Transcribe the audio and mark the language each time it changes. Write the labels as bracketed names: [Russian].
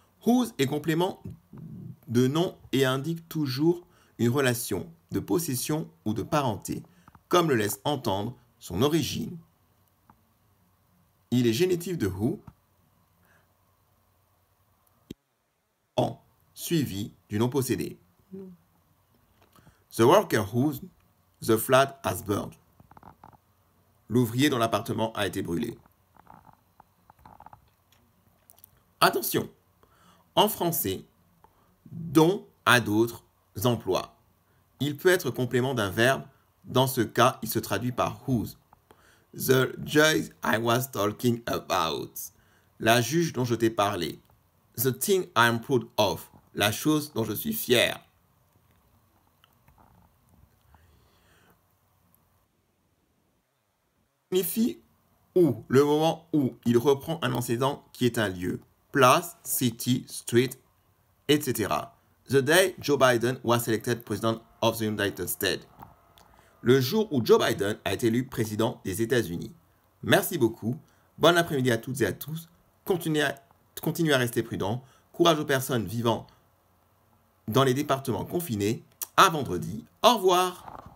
[French] Whose est complément de nom et indique toujours une relation de possession ou de parenté, comme le laisse entendre son origine. Il est génitif de who, en suivi du nom possédé. [English] The worker whose the flat has burned. [French] L'ouvrier dont l'appartement a été brûlé. Attention, en français, dont a d'autres emplois. Il peut être complément d'un verbe. Dans ce cas, il se traduit par whose. [English] The judge I was talking about. [French] La juge dont je t'ai parlé. [English] The thing I'm proud of. [French] La chose dont je suis fier. Signifie où, le moment où il reprend un antécédent qui est un lieu, place, city, street, etc. [English] The day Joe Biden was elected president of the United States. [French] Le jour où Joe Biden a été élu président des États-Unis. Merci beaucoup, bon après-midi à toutes et à tous. Continuez à rester prudent. Courage aux personnes vivant dans les départements confinés. À vendredi, au revoir.